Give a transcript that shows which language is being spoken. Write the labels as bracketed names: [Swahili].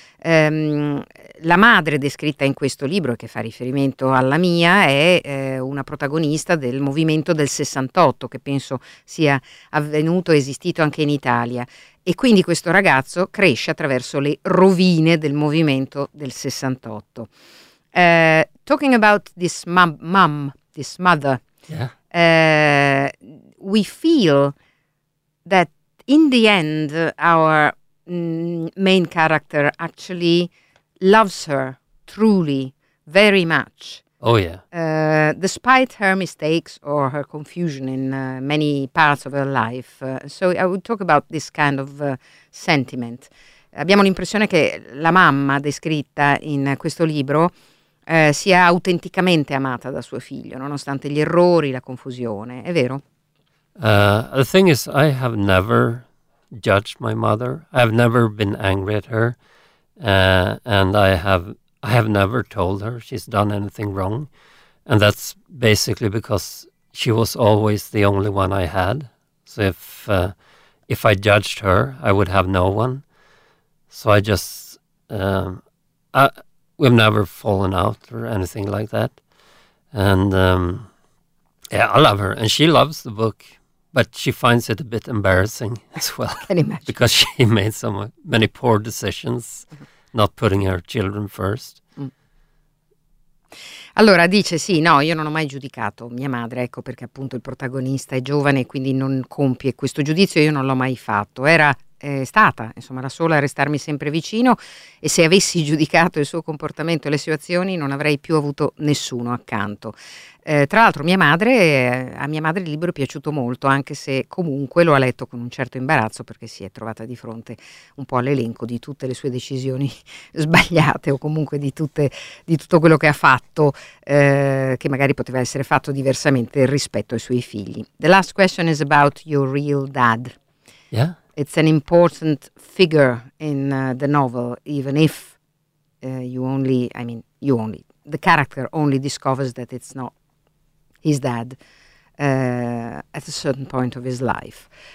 [Italian] La madre descritta in questo libro, che fa riferimento alla mia, è una protagonista del movimento del 68, che penso sia avvenuto, esistito anche in Italia. E quindi questo ragazzo cresce attraverso le rovine del movimento del 68. [English] Talking about this mom, this mother, yeah. We feel that in the end our main character actually loves her truly very much. Oh yeah. Despite her mistakes or her confusion in many parts of her life. So I would talk about this kind of sentiment. [Italian] Abbiamo l'impressione che la mamma descritta in questo libro sia autenticamente amata da suo figlio, nonostante gli errori, la confusione. È vero? [English] The thing is, I have never judged my mother. I have never been angry at her. And I have never told her she's done anything wrong. And that's basically because she was always the only one I had. So if I judged her, I would have no one. So I just, we've never fallen out or anything like that. And yeah, I love her. And she loves the book, but she finds it a bit embarrassing as well. I can imagine. Because she made so many poor decisions. Not putting her children first. [Italian] Allora dice: sì, no, io non ho mai giudicato mia madre, ecco perché appunto il protagonista è giovane e quindi non compie questo giudizio, io non l'ho mai fatto, era stata insomma la sola a restarmi sempre vicino, e se avessi giudicato il suo comportamento e le sue azioni non avrei più avuto nessuno accanto. Tra l'altro a mia madre il libro è piaciuto molto, anche se comunque lo ha letto con un certo imbarazzo, perché si è trovata di fronte un po' all'elenco di tutte le sue decisioni sbagliate, o comunque di tutto quello che ha fatto che magari poteva essere fatto diversamente rispetto ai suoi figli. [English] The last question is about your real dad. Yeah. It's an important figure in the novel, even if the character only discovers that it's not his dad at a certain point of his life.